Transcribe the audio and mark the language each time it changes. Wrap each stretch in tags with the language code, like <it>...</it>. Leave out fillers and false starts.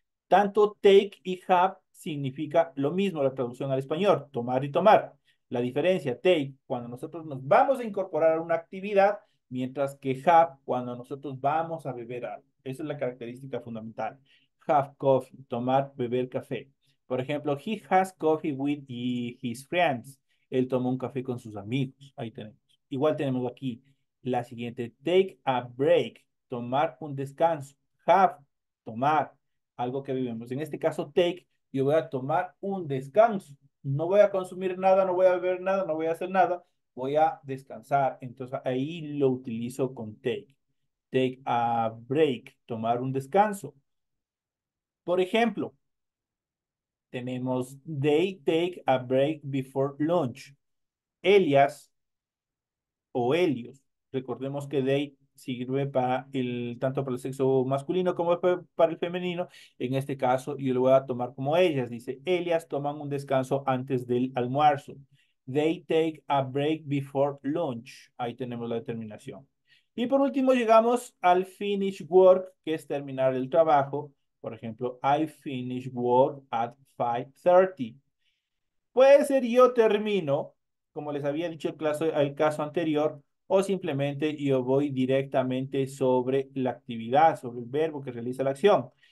<es>Tanto take y have significa lo mismo, la traducción al español, tomar y tomar. La diferencia, take, cuando nosotros nos vamos a incorporar a una actividad, mientras que have, cuando nosotros vamos a beber algo. Esa es la característica fundamental.</es> <en>Have coffee,</en> <es>tomar, beber café. Por ejemplo,</es> <en>he has coffee with his friends.</en> <es>Él toma un café con sus amigos. Ahí tenemos. Igual tenemos aquí la siguiente.</es> <en>Take a break,</en> <es>tomar un descanso. Have, tomar, algo que vivimos. En este caso, take, yo voy a tomar un descanso. No voy a consumir nada, no voy a beber nada, no voy a hacer nada. Voy a descansar. Entonces, ahí lo utilizo con take.</es> <en>Take a break,</en> <es>tomar un descanso. Por ejemplo, tenemos</es> <en>they take a break before lunch.</en> <es>Elias o Helios. Recordemos que they sirve para el tanto para el sexo masculino como para el femenino. En este caso, yo lo voy a tomar como ellas. Dice, ellas toman un descanso antes del almuerzo.</es> <en>They take a break before lunch.</en> <es>Ahí tenemos la determinación. Y por último, llegamos al</es> <en>finish work,</en> <es>que es terminar el trabajo. Por ejemplo,</es> <en>I finish work at 5:30.</en> <es>Puede ser yo termino, como les había dicho el caso anterior, o simplemente yo voy directamente sobre la actividad, sobre el verbo que realiza la acción.</es>